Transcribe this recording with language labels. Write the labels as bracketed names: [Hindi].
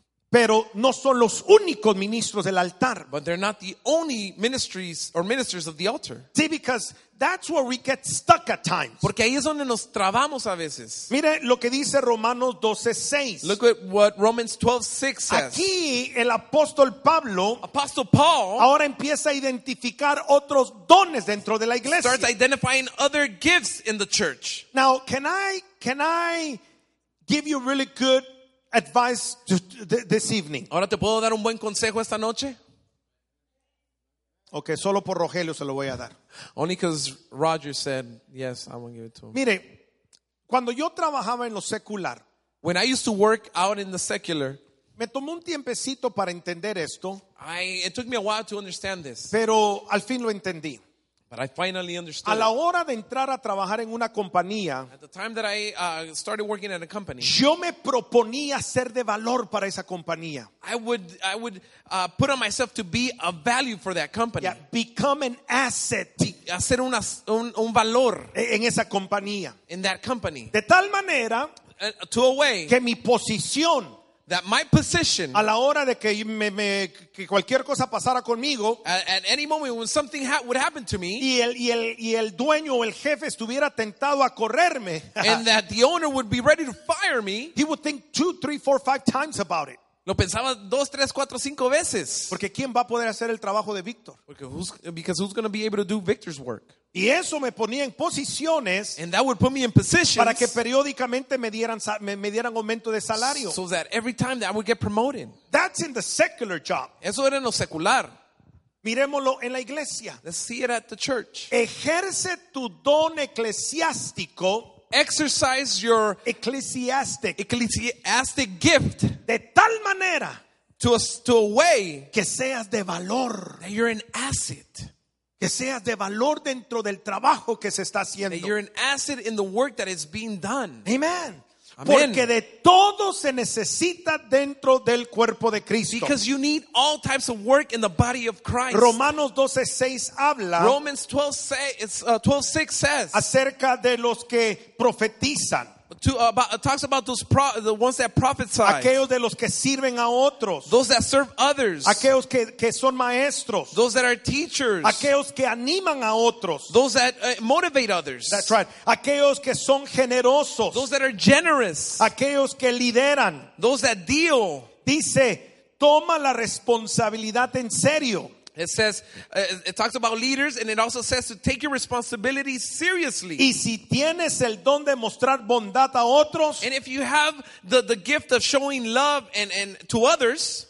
[Spanish] Pero no son los únicos ministros del altar. [English] But they're not the only ministries or ministers of the altar. See, because that's where we get stuck at times. [Spanish] Porque ahí es donde nos trabamos a veces. Mire lo que dice Romanos 12:6. [English] Look at what Romans 12:6 says. [Spanish] Aquí el apóstol Pablo, [English] Apostle Paul, [Spanish] ahora empieza a identificar otros dones dentro de la iglesia. [English] Starts identifying other gifts in the church. Now, can I give you really good advice this evening? [Spanish] Ahora te puedo dar un buen consejo esta noche. Okay, solo por Rogelio se lo voy a dar. [English] Only because Roger said yes, I'm gonna give it to him. [Spanish] Mire, cuando yo trabajaba en lo secular, [English] when I used to work out in the secular, [Spanish] me tomó un tiempecito para entender esto. [English] It took me a while to understand this. [Spanish] Pero al fin lo entendí. [English] But I finally understood. [Spanish] A la hora de entrar a trabajar en una compañía, [English] at the time that I started working at a company, [Spanish] yo me proponía ser de valor para esa compañía. [English] I would put on myself to be a value for that company. Yeah, become an asset. [Spanish] Hacer un valor en esa compañía. [English] In that company. [Spanish] De tal manera, [English] to a way, [Spanish] que mi posición, [English] that my position, [Spanish] a la hora de que que cualquier cosa pasara conmigo, [English] at any moment when something would happen to me, [Spanish] y el dueño o el jefe estuviera tentado a correrme, [English] and that the owner would be ready to fire me, he would think 2, 3, 4, 5 times about it. [Spanish] Lo pensaba 2, 3, 4, 5 veces. Porque ¿quién va a poder hacer el trabajo de Victor? [English] Because who's going to be able to do Victor's work? [Spanish] Y eso me ponía en posiciones, [English] and that would put me in positions, [Spanish] para que periódicamente me dieran aumento de salario. [English] So that every time that I would get promoted. That's in the secular job. [Spanish] Eso era en lo secular. Miremoslo en la iglesia. [English] Let's see it at the church. [Spanish] Ejerce tu don eclesiástico. [English] Exercise your ecclesiastic gift [Spanish] de tal manera [English] to a way [Spanish] que seas de valor, [English] that you're an asset, [Spanish] que seas de valor dentro del trabajo que se está haciendo, [English] that you're an asset in the work that is being done. Amen. [Spanish] Porque de todo se necesita dentro del cuerpo de Cristo. [English] Because you need all types of work in the body of Christ. [Spanish] Romanos 12:6 habla. [English] Romans 12:6 says [Spanish] acerca de los que profetizan. [English] Talks about those the ones that prophesy. [Spanish] Aquellos de los que sirven a otros. [English] Those that serve others. [Spanish] Aquellos que son maestros. [English] Those that are teachers. [Spanish] Aquellos que animan a otros. [English] Those that motivate others. That's right. [Spanish] Aquellos que son generosos. [English] Those that are generous. [Spanish] Aquellos que lideran. [English] Those that deal. [Spanish] Dice, toma la responsabilidad en serio. [English] It says, it talks about leaders, and it also says to take your responsibilities seriously. [Spanish] Y si tienes el don de mostrar bondad a otros, [English] and if you have the gift of showing love and to others,